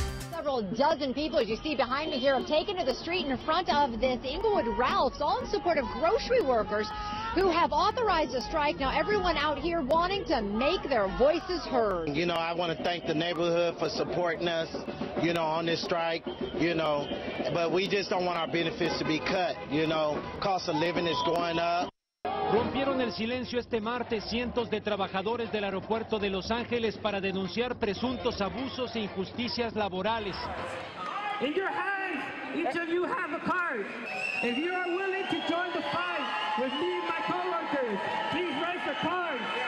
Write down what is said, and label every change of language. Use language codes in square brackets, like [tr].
[en] Several dozen people, as you see behind me here, have taken to the street in front of this Englewood Ralphs, all in support of grocery workers who have authorized a strike. Now, everyone out here wanting to make their voices heard. You know, I want to thank the neighborhood for supporting us, you know, on this strike, you know, but we just don't want our benefits to be cut, you know. Cost of living is going up. [es] Rompieron el silencio este martes cientos de trabajadores del aeropuerto de Los Ángeles para denunciar presuntos abusos e injusticias laborales. [en] In your hands, each of you have a card. If you are willing to join the fight with me and my coworkers, please raise your card.